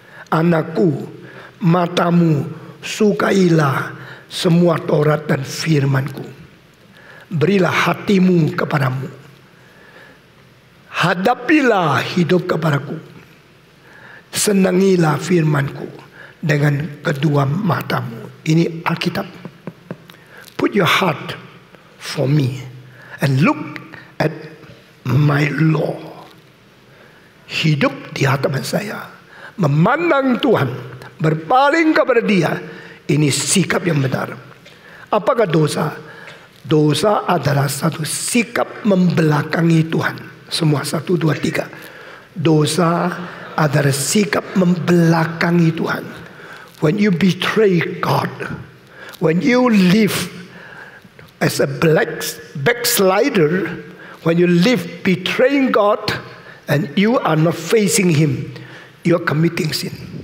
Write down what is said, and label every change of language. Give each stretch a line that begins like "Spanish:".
Indonesian: Anakku, matamu, sukailah semua Taurat dan firmanku. Berilah hatimu kepadamu. Hadapilah hidup kepadaku. Senangilah firmanku dengan kedua matamu. Ini Alkitab.
English: Put your heart for me and look at my law.
Indonesian: Hidup di hadapan saya, memandang Tuhan, berpaling kepada dia. Ini sikap yang benar. Apakah dosa? Dosa adalah satu sikap membelakangi Tuhan. Semua, satu, dua, tiga. Dosa adalah sikap membelakangi Tuhan.
English: When you betray God, when you live as a backslider, when you live betraying God and you are not facing Him, you are committing sin.